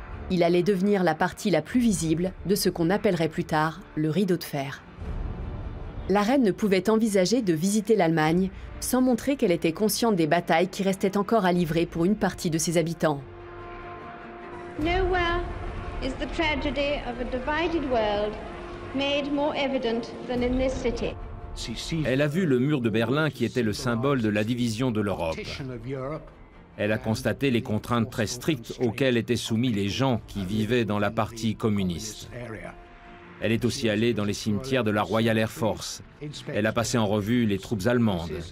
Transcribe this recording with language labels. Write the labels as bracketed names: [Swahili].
[French] Il allait devenir la partie la plus visible de ce qu'on appellerait plus tard le rideau de fer. La reine ne pouvait envisager de visiter l'Allemagne sans montrer qu'elle était consciente des batailles qui restaient encore à livrer pour une partie de ses habitants. [English] Nowhere is the tragedy of a divided world made more evident than in this city. [French] Elle a vu le mur de Berlin qui était le symbole de la division de l'Europe. Elle a constaté les contraintes très strictes auxquelles étaient soumis les gens qui vivaient dans la partie communiste. Elle est aussi allée dans les cimetières de la Royal Air Force. Elle a passé en revue les troupes allemandes.